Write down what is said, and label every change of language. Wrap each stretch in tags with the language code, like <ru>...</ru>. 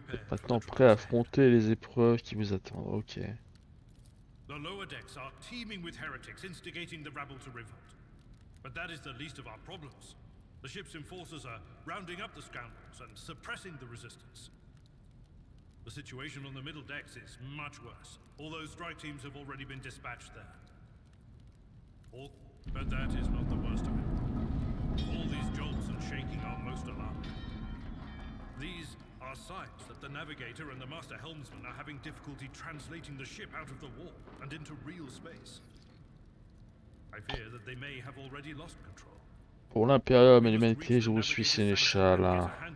<fr>Maintenant prêt à affronter les épreuves qui vous attendent, ok.</fr> <en>The lower decks are teeming with heretics instigating the rabble to revolt. But that is the least of our problems. The ship's enforcers are rounding up the scoundrels and suppressing the resistance. The situation on the middle decks is much worse. All those strike teams have already been dispatched there. All... But that is not the worst of it. All these jolts and shaking are most alarming. These are signs that the navigator and the master helmsman are having difficulty translating the ship out of the warp and into real space. I fear that they may have already lost control.</en> <fr>Pour l'impérium et l'humanité, je vous suis sénéchal.</fr>